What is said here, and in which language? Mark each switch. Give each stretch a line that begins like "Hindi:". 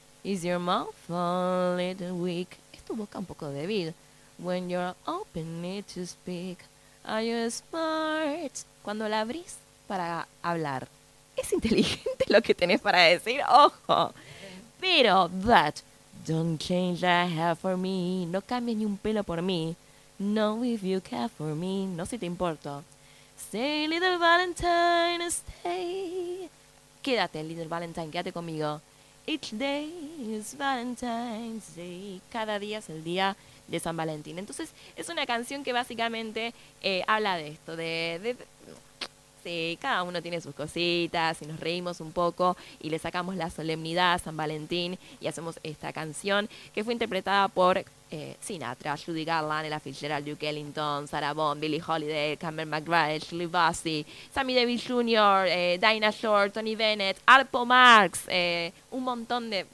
English: Is your mouth a little weak?
Spanish: Es tu boca un poco débil.
English: When you're open it to speak, are you smart?
Spanish: Cuando la abrís para hablar, ¿es inteligente lo que tenés para decir? ¡Ojo!
English: Pero that don't change a hair for me.
Spanish: No cambies ni un pelo por mí.
English: No, if you care for me.
Spanish: No, si te importo.
English: Stay, little Valentine, stay.
Spanish: Quédate,
English: little Valentine,
Spanish: quédate conmigo.
English: Each day is Valentine's Day.
Spanish: Cada día es el día de San Valentín. Entonces, es una canción que básicamente habla de esto, sí, cada uno tiene sus cositas y nos reímos un poco y le sacamos la solemnidad a San Valentín y hacemos esta canción que fue interpretada por Sinatra, Judy Garland, Ella Fitzgerald, Duke Ellington, Sarah Vaughan, Billie Holiday, Cameron McGrath, Shirley Bassey, Sammy Davis Jr., Dinah Shore, Tony Bennett, Harpo Marx, un montón de...